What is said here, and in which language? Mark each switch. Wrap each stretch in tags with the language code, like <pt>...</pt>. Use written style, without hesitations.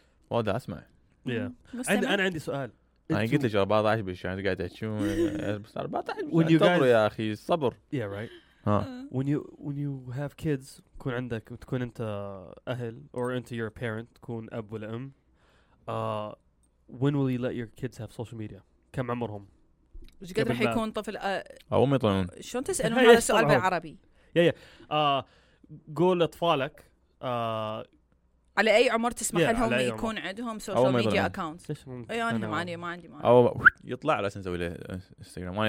<ar>والله اسمع انا عندي سؤال انا قلت لك 14 بالشيء انت قاعد تحكيون 14 يا اخي صبر</ar> <en>yeah right Huh. When you have kids,</en> <ar>كون عندك تكون أنت أهل or أنت</ar> <en>your parent</en> <ar>كون أب ولا أم.</ar> <en>When will you let your kids have social media?</en> <ar>كم عمرهم؟ إيش قد رح يكون طفل؟ أو ما يطلعون؟ شلون تسألهم هذا السؤال بالعربي؟</ar> <en>Yeah.</en> <ar>قول أطفالك. على أي عمر تسمح لهم يكون عندهم</ar> <en>social media accounts؟</en> <ar>أيوة ما عندي. يطلع على أساس أسوي له Instagram.</ar>